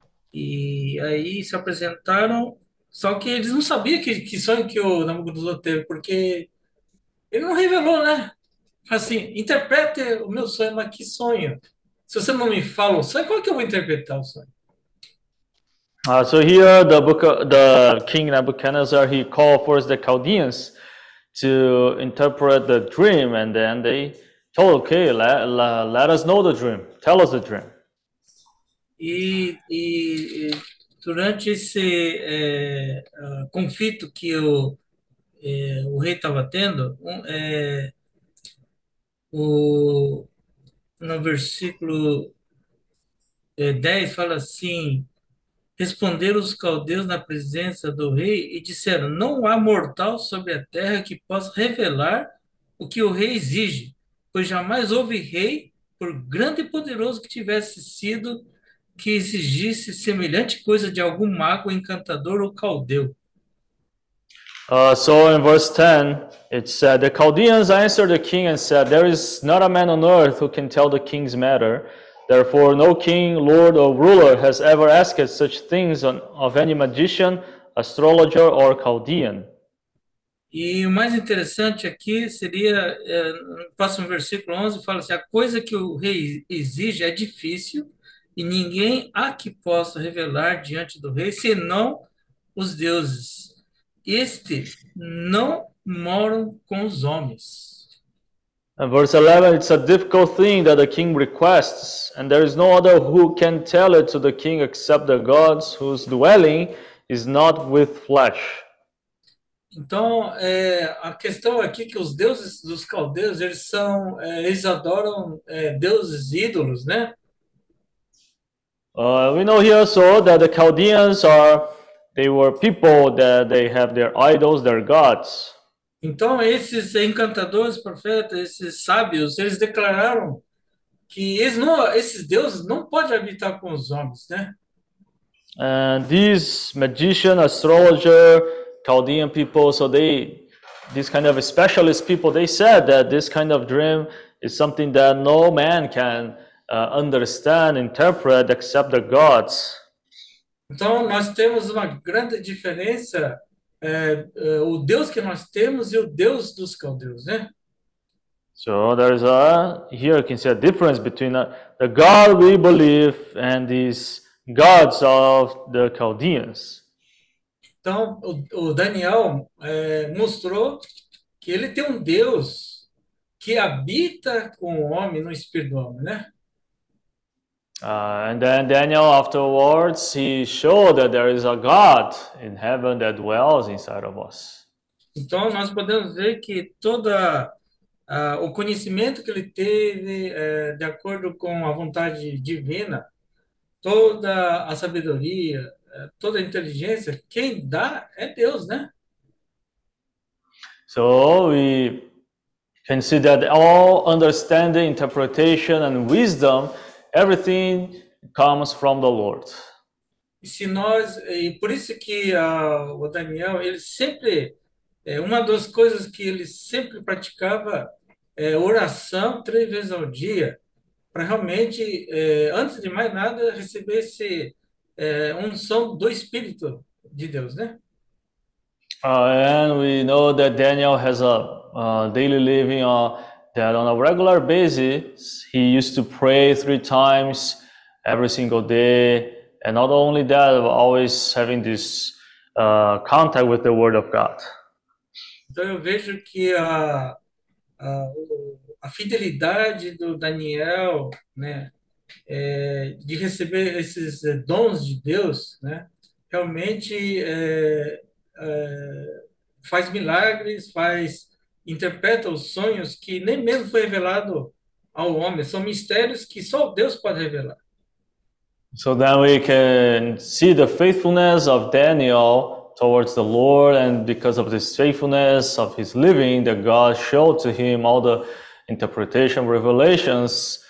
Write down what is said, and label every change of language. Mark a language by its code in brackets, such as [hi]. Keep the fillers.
[pt] E aí se apresentaram, só que eles não sabiam que, que sonho que o Nabucodonosor teve, porque ele não revelou, né? Assim, interprete o meu sonho, mas que sonho? Se você não me fala o sonho, qual é que eu vou interpretar o sonho? [en] Ah, uh, so here the book of, the king Nabucodonosor he called for the Chaldeans to interpret the dream and then they Ok, let, let, let, us know the dream. Tell us the dream. [pt] E, e durante esse é, conflito que o, é, o rei estava tendo, um, é, o, no versículo é, 10 fala assim: Responderam os caldeus na presença do rei e disseram: Não há mortal sobre a terra que possa revelar o que o rei exige pois jamais houve rei, por grande e poderoso que tivesse sido, que exigisse semelhante coisa de algum mago, encantador ou caldeu. [en] Uh, so in verse 10, it said, uh, The Chaldeans answered the king and said, There is not a man on earth who can tell the king's matter. Therefore, no king, lord, or ruler has ever asked such things of any magician, astrologer, or Chaldean. [pt] E o mais interessante aqui seria, no eh, próximo versículo 11, fala assim: a coisa que o rei exige é difícil e ninguém há que possa revelar diante do rei, senão os deuses. Este não moram com os homens. [en] And verse 11, it's a difficult thing that the king requests, and there is no other who can tell it to the king except the gods whose dwelling is not with flesh. [pt] Então, eh, a questão aqui é que os deuses dos caldeus, eles são, eh, eles adoram eh, deuses ídolos, né? [en] Uh, we know here so that the Chaldeans are, they were people that they have their idols, their gods. [pt] Então, esses encantadores, profetas, esses sábios, eles declararam que eles não, esses deuses não podem habitar com os homens, né? [en] And these magician, astrologer, Chaldean people, so they, these kind of specialist people, they said that this kind of dream is something that no man can uh, understand, interpret, except the gods. [pt] Então, nós temos uma grande diferença, é, é, o Deus que nós temos e o Deus dos caldeus, né? [en] So, there is a, here you can see a difference between the God we believe and these gods of the Chaldeans. [pt] Então, o, Daniel é, mostrou que ele tem um Deus que habita com o homem no espírito do homem, né? [en] Uh, and Daniel, afterwards, he showed that there is a God in heaven that dwells [pt] Então, nós podemos ver que todo uh, o conhecimento que ele teve, uh, de acordo com a vontade divina, toda a sabedoria, toda a inteligência, quem dá é Deus, né? [en] So we can see that all understanding, interpretation and wisdom, everything comes from the Lord. [pt] E se nós, e por isso que a, o Daniel, ele sempre é uma das coisas que ele sempre praticava é oração três vezes ao dia, para realmente é, antes de mais nada receber esse é, unção um do Espírito de Deus, né? [en] Uh, and we know Daniel has a uh, daily living uh, that on regular basis he used to pray three times every single day, and not only that, but always having this uh, contact Word of God. [pt] Então eu vejo que a, a, a fidelidade do Daniel, né, é, de receber esses é, dons de Deus, né, realmente é, faz milagres, faz interpreta os sonhos que nem mesmo foi revelado ao homem. São mistérios que só Deus pode revelar. [en] So then we can see the faithfulness of Daniel towards the Lord, and because of this faithfulness of his living, that God showed to him all the interpretation revelations.